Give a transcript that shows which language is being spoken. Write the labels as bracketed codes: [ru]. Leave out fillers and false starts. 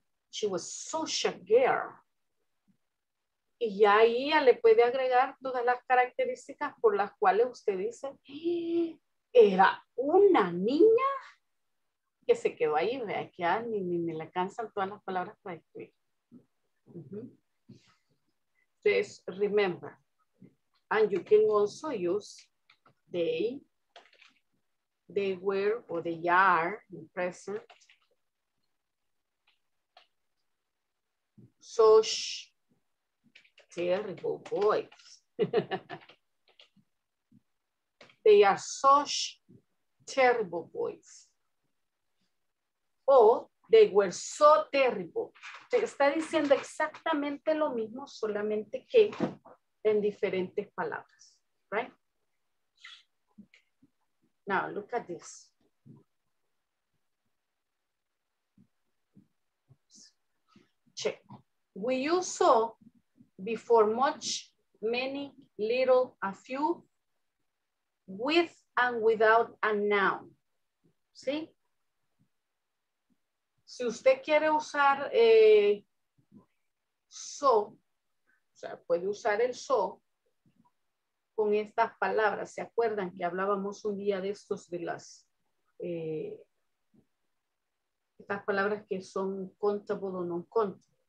[en] She was such a girl. [es] Y ya ahí ya le puede agregar todas las características por las cuales usted dice, era una niña que se quedó ahí, vea, que ya ni le alcanzan todas las palabras para escribir. [en] Entonces, remember, and you can also use they were, or they are in present. Such terrible boys. They are such terrible boys. Or they were so terrible. [es] Te está diciendo exactamente lo mismo, solamente que en diferentes palabras, right? [en] Now, look at this. Check. We use so before much, many, little, a few, with and without a noun. [es] ¿Sí? Si usted quiere usar so, o sea, puede usar el so con estas palabras. ¿Se acuerdan que hablábamos un día de estos, de las estas palabras que son countable o non-countable?